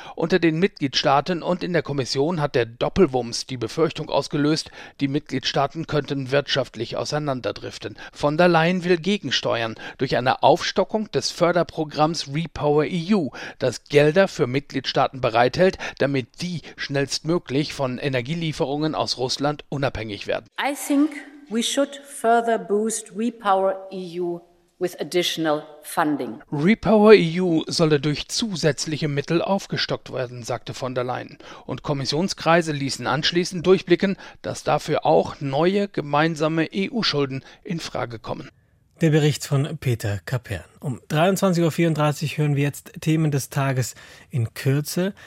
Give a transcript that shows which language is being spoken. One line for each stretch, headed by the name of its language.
German: Unter den Mitgliedstaaten und in der Kommission hat der Doppelwumms die Befürchtung ausgelöst, die Mitgliedstaaten könnten wirtschaftlich auseinanderdriften. Von der Leyen will gegensteuern durch eine Aufstockung des Förderprogramms RePowerEU, das Gelder für Mitgliedstaaten bereithält, damit die schnellstmöglich von Energielieferungen aus Russland unabhängig werden.
English: I think we should further boost RePowerEU with additional funding.
German: RePowerEU solle durch zusätzliche Mittel aufgestockt werden, sagte von der Leyen. Und Kommissionskreise ließen anschließend durchblicken, dass dafür auch neue gemeinsame EU-Schulden in Frage kommen. Der Bericht von Peter Kapern. Um 23.34 Uhr hören wir jetzt Themen des Tages in Kürze.